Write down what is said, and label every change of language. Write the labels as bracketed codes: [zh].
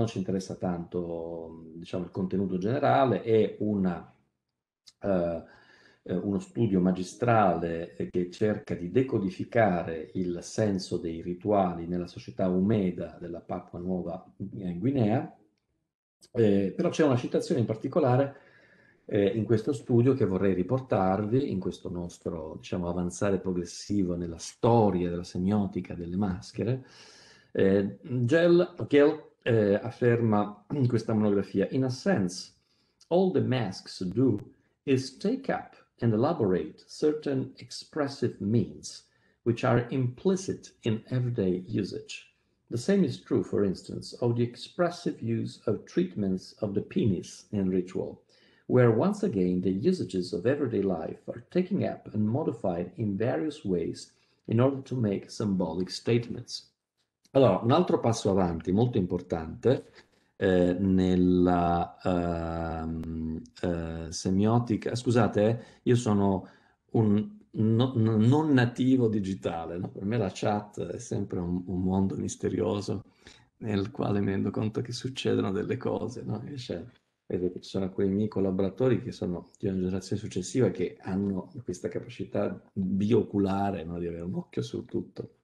[it] Non ci interessa tanto, diciamo, il contenuto generale, è uno studio magistrale che cerca di decodificare il senso dei rituali nella società umeda della Papua Nuova Guinea. Però c'è una citazione in particolare in questo studio che vorrei riportarvi, in questo nostro, diciamo, avanzare progressivo nella storia della semiotica delle maschere. Gell afferma in questa monografia: [en] "In a sense, all the masks do is take up and elaborate certain expressive means which are implicit in everyday usage. The same is true, for instance, of the expressive use of treatments of the penis in ritual, where once again the usages of everyday life are taken up and modified in various ways in order to make symbolic statements." [it] Allora, un altro passo avanti molto importante nella semiotica. Scusate, io sono un no, non nativo digitale, no? Per me la chat è sempre un mondo misterioso nel quale mi rendo conto che succedono delle cose, no? Vedo che ci sono quei miei collaboratori che sono di una generazione successiva che hanno questa capacità bioculare, no? Di avere un occhio su tutto.